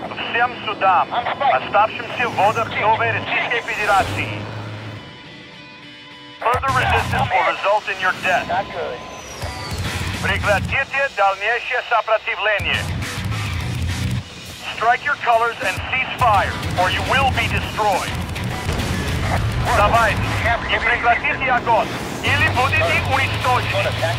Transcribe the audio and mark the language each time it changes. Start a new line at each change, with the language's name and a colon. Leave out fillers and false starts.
Russian: Всем судам, оставшимся в водах Новой Российской Федерации.
English: Further resistance will result in your death.
Russian: Прекратите дальнейшее сопротивление.
English: Strike your colors and cease fire, or you will be destroyed.
Russian: Давайте, и прекратите огонь, или будете уничтожены.